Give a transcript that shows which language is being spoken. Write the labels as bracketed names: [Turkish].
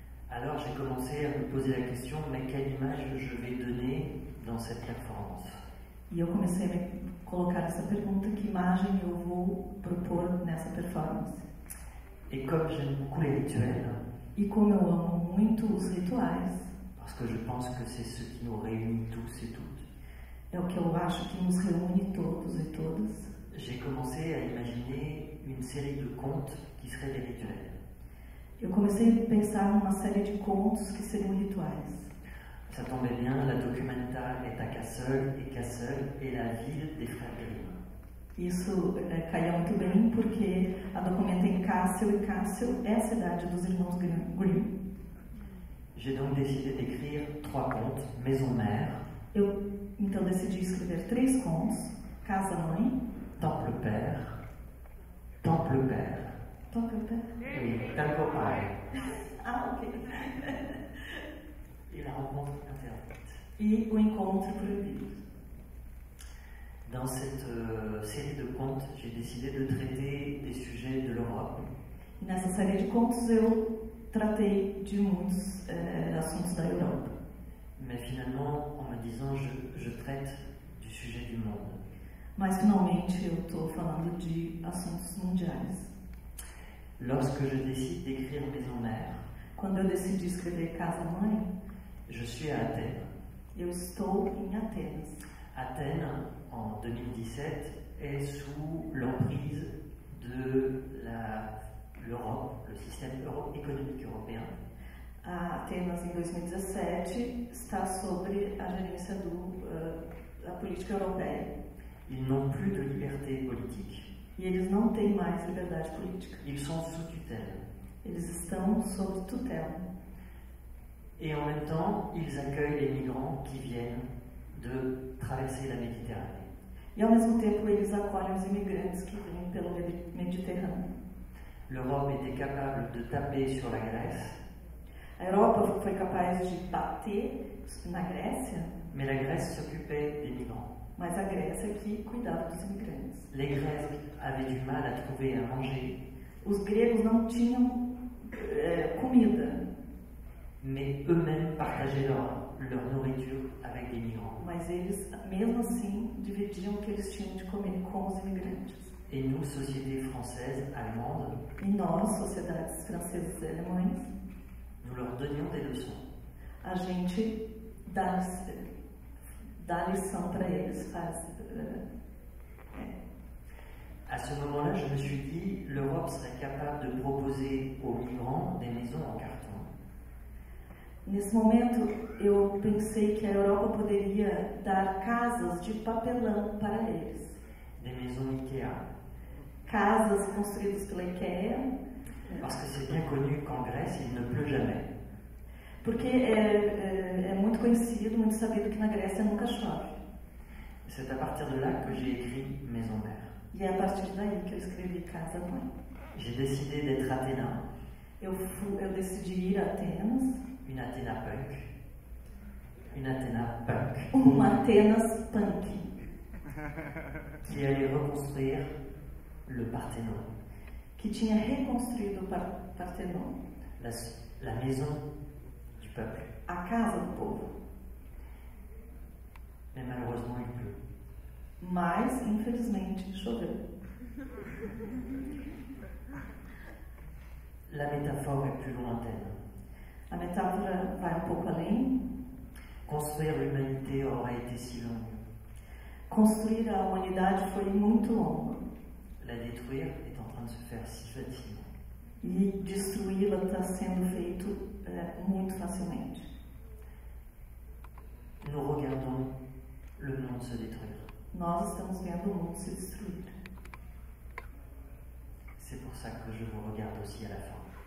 [French] Alors j'ai commencé à me poser la question, mais quelle image je vais donner dans cette performance? [Portuguese] E eu comecei a colocar essa pergunta, que imagem eu vou propor nessa performance? [French] Et comme j'aime beaucoup les rituels. [Portuguese] E como eu amo muito os rituais. [French] Parce que je pense que c'est ce qui nous réunit tous et toutes. [Portuguese] É o que eu acho que nos reúne todos e todas. [French] J'ai commencé à imaginer une série de contes qui seraient des rituels. [Portuguese] Eu comecei a pensar numa série de contos que seriam rituais. [French] Ça tombait bien, la Documenta est à Kassel et Kassel est la ville des frères Grimm. [Portuguese] Isso caiu muito bem porque a Documenta é em Kassel e Kassel é a cidade dos irmãos Grimm. [French] J'ai donc décidé d'écrire trois contes, Maison Mère. [Portuguese] Eu então decidi escrever três contos, Casa Mãe, [French] Temple Père. Temple Père. Temple Père. Oui, Temple Père. Ah, ok. Et la rencontre interdite. Et le rencontre [Portuguese] prohibido. [French] Dans cette série de contes, j'ai décidé de traiter des sujets de l'Europe. [Portuguese] Nessa série de contes, eu tratei de muitos assuntos da Europa. [French] Mais finalement, en me disant, je traite du sujet du monde. [Portuguese] Mas finalmente eu estou falando de assuntos mundiais. [French] Lorsque je décide d'écrire Maison Mère, [Portuguese] quando eu decidi escrever Casa Mãe, [French] je suis à Athènes. [Portuguese] Eu estou em Atenas. [French] Athènes, en 2017, est sous l'emprise de l'Europe, le système économique européen. [Portuguese] A Atenas, em 2017, está sobre a gerência do da política europeia. [French] Ils n'ont plus de liberté politique. [Portuguese] E eles não têm mais liberdade política. [French] Ils sont sous tutelle. [Portuguese] Eles estão sob tutela. [French] Et en même temps, ils accueillent les migrants qui viennent de traverser la Méditerranée. [Portuguese] E ao mesmo tempo, eles acolhem os imigrantes que vêm pelo Mediterrâneo. [French] L'Europe était capable de taper sur la Grèce. [Portuguese] A Europa foi capaz de bater na Grécia. [French] Mais la Grèce s'occupait des migrants. [Portuguese] Mas a Grécia que cuidava dos imigrantes. [French] Les Grecs avaient du mal à trouver à manger. [Portuguese] Os gregos não tinham comida. [French] Mais eux-mêmes partageaient leur nourriture avec des migrants. [Portuguese] Mas eles, mesmo assim, dividiam o que eles tinham de comer com os imigrantes. [French] Et nous, sociétés françaises, allemandes. [Portuguese] E nós, sociedades francesas e alemães. [French] Nous leur donnions des leçons. [Portuguese] A gente dá lição para eles, faz. [French] À ce moment-là, je me suis dit, l'Europe serait capable de proposer aux migrants des maisons en carton. [Portuguese] Nesse momento, eu pensei que a Europa poderia dar casas de papelão para eles. [French] Des maisons IKEA. [Portuguese] Casas construídas pela IKEA. [French] Parce que c'est bien connu qu'en Grèce, il ne pleut jamais. [Portuguese] Porque é muito conhecido, muito sabido que na Grécia nunca chove. [French] C'est à partir de là que j'ai écrit Maison Mère. [Portuguese] E é a partir daí que eu escrevi Casa Mãe. [French] J'ai décidé d'être Athéna. [Portuguese] Eu decidi ir a Atenas. [French] Une Athéna punk. Une Athéna punk. [Portuguese] Uma Atenas punk. [French] Qui allait reconstruire le Parthénon. [Portuguese] Que tinha reconstruído o Parthénon. [French] La maison peuple. [Portuguese] A casa do povo. [French] Mais malheureusement, il pleut. [Portuguese] Mas, infelizmente, choveu. [French] La métaphore est plus lointaine. [Portuguese] A metáfora vai um pouco além. [French] Construire l'humanité aurait été si long. [Portuguese] Construir a humanidade foi muito longo. [French] La détruire est en train de se faire si facilement. [Portuguese] E destruí-la está sendo feito muito facilmente. [French] Nous regardons le monde se détruire. [Portuguese] Nós estamos vendo o mundo se destruir. [French] C'est pour ça que je vous regarde aussi à la fin.